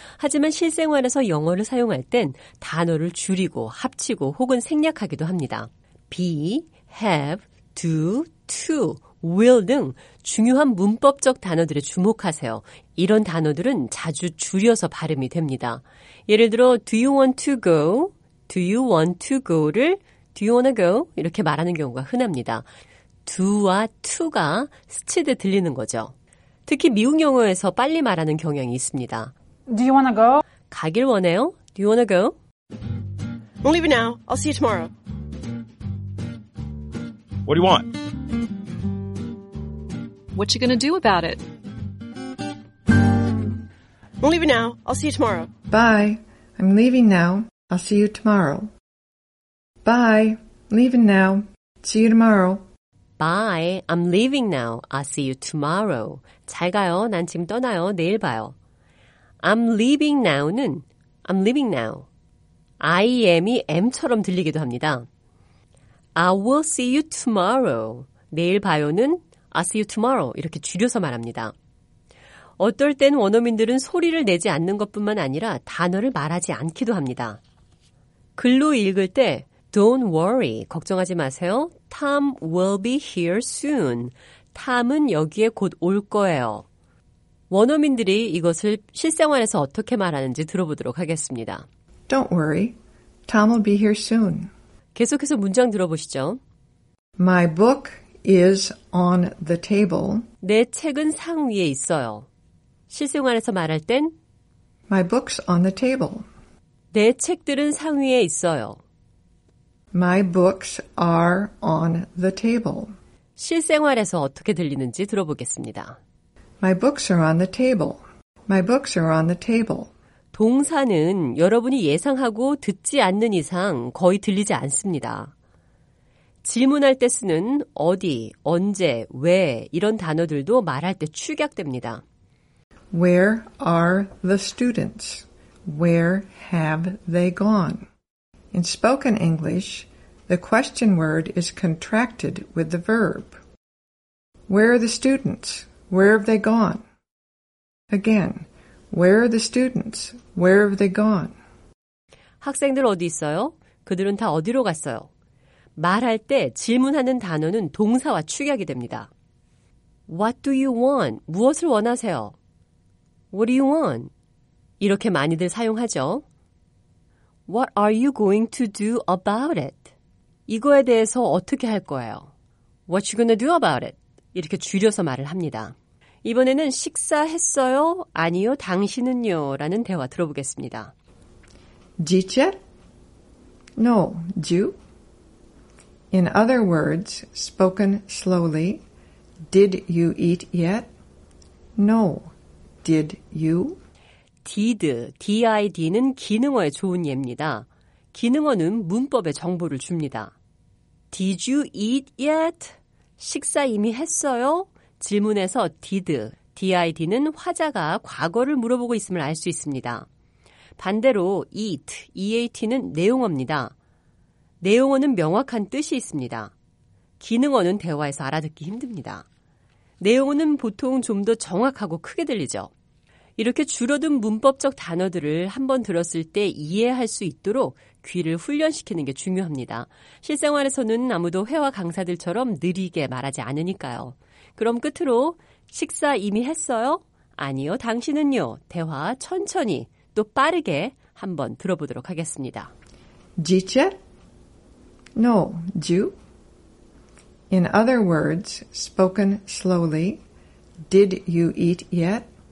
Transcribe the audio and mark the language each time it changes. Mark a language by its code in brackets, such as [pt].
[ko] 하지만 실생활에서 영어를 사용할 땐 단어를 줄이고 합치고 혹은 생략하기도 합니다. be, have, do, to, will 등 중요한 문법적 단어들에 주목하세요. 이런 단어들은 자주 줄여서 발음이 됩니다. 예를 들어 [en] Do you want to go? Do you want to go?를 Do you wanna go? [ko] 이렇게 말하는 경우가 흔합니다. Do와 to가 스치듯 들리는 거죠. 특히 미국 영어에서 빨리 말하는 경향이 있습니다. [en] Do you wanna go? [ko] 가길 원해요? [en] Do you wanna go? I'm leaving now. I'll see you tomorrow. What do you want? What you gonna do about it? I'm leaving now. I'll see you tomorrow. Bye. I'm leaving now. I'll see you tomorrow. Bye. Leaving now. See you tomorrow. Bye. I'm leaving now. I'll see you tomorrow. [ko] 잘 가요. 난 지금 떠나요. 내일 봐요. [en] I'm leaving now는 I'm leaving now. [ko] I am이 M처럼 들리기도 합니다. [en] I will see you tomorrow. [ko] 내일 봐요는 [en] I'll see you tomorrow. [ko] 이렇게 줄여서 말합니다. 어떨 땐 원어민들은 소리를 내지 않는 것뿐만 아니라 단어를 말하지 않기도 합니다. 글로 읽을 때 [en] Don't worry. [ko] 걱정하지 마세요. [en] Tom will be here soon. [ko] Tom은 여기에 곧 올 거예요. 원어민들이 이것을 실생활에서 어떻게 말하는지 들어보도록 하겠습니다. [en] Don't worry. Tom will be here soon. [ko] 계속해서 문장 들어보시죠. [en] My book is on the table. [ko] 내 책은 상 위에 있어요. 실생활에서 말할 땐 [en] My book's on the table. [ko] 내 책들은 상 위에 있어요. [en] My books are on the table. [ko] 실생활에서 어떻게 들리는지 들어보겠습니다. [en] My books are on the table. My books are on the table. [ko] 동사는 여러분이 예상하고 듣지 않는 이상 거의 들리지 않습니다. 질문할 때 쓰는 어디, 언제, 왜 이런 단어들도 말할 때 축약됩니다. [en] Where are the students? Where have they gone? In spoken English, the question word is contracted with the verb. Where are the students? Where have they gone? Again, where are the students? Where have they gone? [ko] 학생들 어디 있어요? 그들은 다 어디로 갔어요? 말할 때 질문하는 단어는 동사와 축약이 됩니다. [en] What do you want? [ko] 무엇을 원하세요? [en] What do you want? [ko] 이렇게 많이들 사용하죠. [en] What are you going to do about it? [ko] 이거에 대해서 어떻게 할 거예요? [en] What you gonna do about it? [ko] 이렇게 줄여서 말을 합니다. 이번에는 식사했어요? 아니요, 당신은요? 라는 대화 들어보겠습니다. [en] Did you? No, you? In other words, spoken slowly, did you eat yet? No, did you? [ko] DID는 기능어의 좋은 예입니다. 기능어는 문법의 정보를 줍니다. [en] Did you eat yet? [ko] 식사 이미 했어요? 질문에서 did, DID는 화자가 과거를 물어보고 있음을 알 수 있습니다. 반대로 eat, EAT는 내용어입니다. 내용어는 명확한 뜻이 있습니다. 기능어는 대화에서 알아듣기 힘듭니다. 내용어는 보통 좀 더 정확하고 크게 들리죠. 이렇게 줄어든 문법적 단어들을 한번 들었을 때 이해할 수 있도록 귀를 훈련시키는 게 중요합니다. 실생활에서는 아무도 회화 강사들처럼 느리게 말하지 않으니까요. 그럼 끝으로 식사 이미 했어요? 아니요, 당신은요? 대화 천천히 또 빠르게 한번 들어보도록 하겠습니다. [en] Did you? No, you? In other words, spoken slowly, did you eat yet?